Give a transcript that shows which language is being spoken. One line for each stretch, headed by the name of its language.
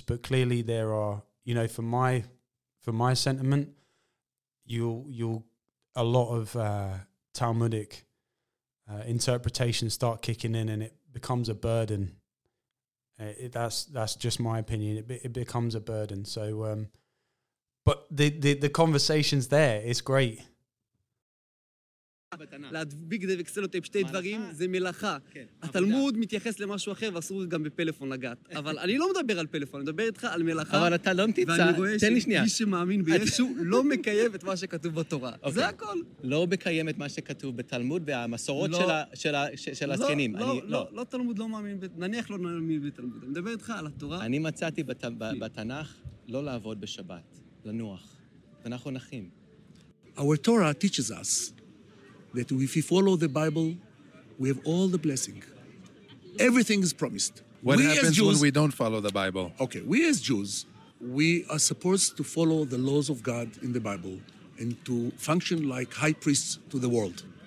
English: But clearly there are, you know, for my sentiment, you'll a lot of Talmudic interpretations start kicking in, and it becomes a burden. That's just my opinion. It becomes a burden. So but the conversation's there, it's great.
Hebrew: להדביק דבק סלוטייפ, שתי דברים, זה מלאכה. התלמוד מתייחס למשהו אחר, ואסור גם בפלאפון לגעת. אבל אני לא מדבר על פלאפון, אני מדבר איתך על מלאכה. אבל אתה לא מתיצא, תן לי שנייה. ואני רואה שמי שמאמין בישו לא מקיים את מה שכתוב בתורה. זה הכל. לא מקיים את מה שכתוב בתלמוד והמסורות של הזקנים. לא, תלמוד לא מאמין, נניח לא מאמין בתלמוד. אני מדבר איתך על התורה. אני מצאתי בתנך לא לעבוד בשבת, לנוח. ואנחנו נחים.
English: Our Torah teaches us that if we follow the Bible, we have all the blessing. Everything is promised. What we happens Jews, when we don't follow the Bible? Okay, we as Jews, we are supposed to follow the laws of God in the Bible and to function like high priests to the world.